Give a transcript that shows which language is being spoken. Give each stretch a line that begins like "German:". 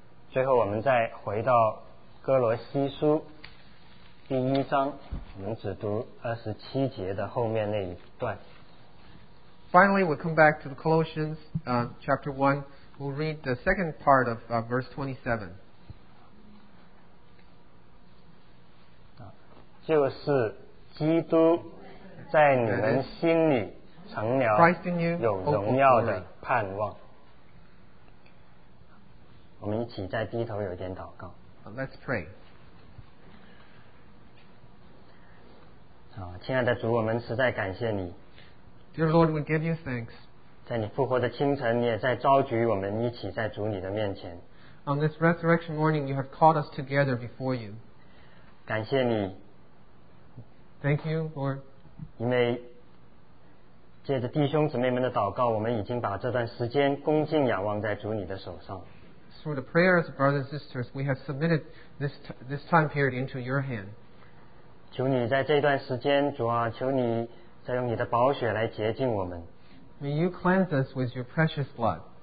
Chinese: 最后我们再回到哥罗西书第1章，我们只读27节的后面那一段。
English: Finally, we come back to the Colossians, chapter 1. We'll read the second part of verse 27.
Chinese: 就是基督在你们心里成了有荣耀的盼望。
English: Let's pray.
Chinese: 亲爱的主，我们实在感谢你。
English: Dear Lord, we give you thanks.
Chinese: 在你复活的清晨，你也在召集我们一起在主你的面前。
English: On this resurrection morning, you have called us together before you.
Chinese: 感谢你。
English: Thank you, Lord.
Chinese: 因为借着弟兄姊妹们的祷告，我们已经把这段时间恭敬仰望在主你的手上。
English: Through the prayers of brothers and sisters, we have submitted this time period into your hand.
Chinese: 求你在这段时间，主啊，求你再用你的宝血来洁净我们。
English: May you cleanse us with your precious blood.